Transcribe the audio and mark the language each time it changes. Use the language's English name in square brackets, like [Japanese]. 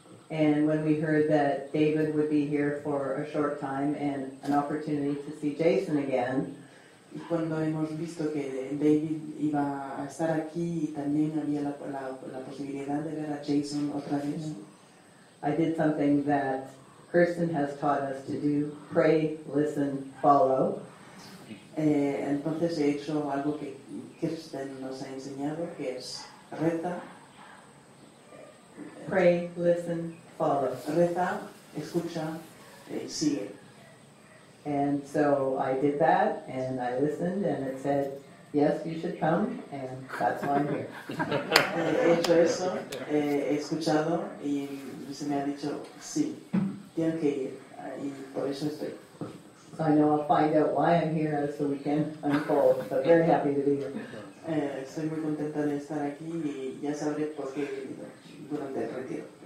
[English] And when we heard that David would be here for a short time and an opportunity to see Jason again, [Spanish] y cuando hemos visto que David iba a estar aquí y también había la posibilidad de ver a Jason otra vez, [English] I did something that Kirsten has taught us to do: pray, listen, follow. [Spanish] Entonces he hecho algo que Kirsten nos ha enseñado, que es reza. [English] Pray, listen, follow. [Spanish] Reza, escucha, sigue. [English] And so I did that, and I listened, and it said, yes, you should come, and that's why I'm here. [Spanish] He hecho eso, he escuchado, y se me ha dicho, sí, tengo que ir, y por eso estoy. [English] So I know I'll find out why I'm here, so we can unfold, but very happy to be here. [Spanish] Estoy muy contenta de estar aquí, y ya sabré por qué he venido durante el retiro.